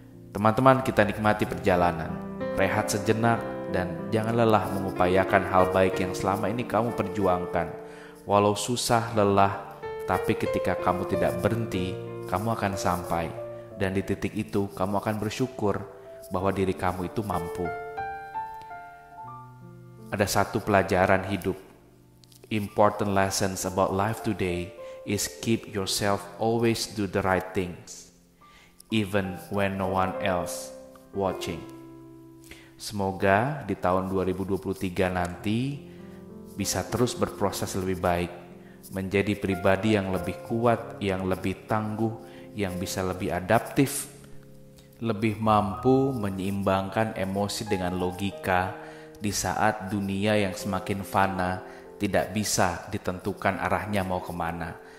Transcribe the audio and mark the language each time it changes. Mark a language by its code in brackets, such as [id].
[id] Teman-teman, kita nikmati perjalanan, rehat sejenak, dan jangan lelah mengupayakan hal baik yang selama ini kamu perjuangkan. Walau susah, lelah, tapi ketika kamu tidak berhenti, kamu akan sampai. Dan di titik itu, kamu akan bersyukur bahwa diri kamu itu mampu. Ada satu pelajaran hidup. [en] Important lessons about life today is keep yourself always do the right things, even when no one else watching. [id] Semoga di tahun 2023 nanti bisa terus berproses lebih baik, menjadi pribadi yang lebih kuat, yang lebih tangguh, yang bisa lebih adaptif, lebih mampu menyeimbangkan emosi dengan logika di saat dunia yang semakin fana tidak bisa ditentukan arahnya mau kemana.